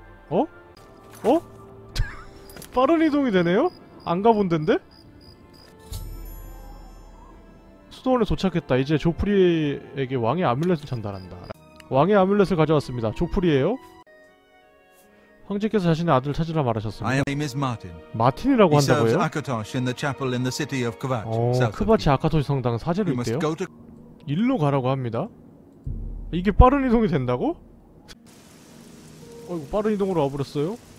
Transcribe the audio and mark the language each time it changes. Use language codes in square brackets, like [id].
[ko] 어? 어? 빠른 이동이 되네요? 안 가본 덴데? 수도원에 도착했다. 이제 조프리에게 왕의 아뮬렛을 전달한다. 왕의 아뮬렛을 가져왔습니다. 조프리예요? 황제께서 자신의 아들을 찾으라 말하셨습니다. [en] My name is Martin. [ko] 마틴이라고 한다고요? [en] He serves Akatosh in the chapel in the city of Kvatch. [ko] 크바치 아카토시 성당 사제를 있대요? 일로 가라고 합니다. 이게 빠른 이동이 된다고? 이거 빠른 이동으로 와버렸어요?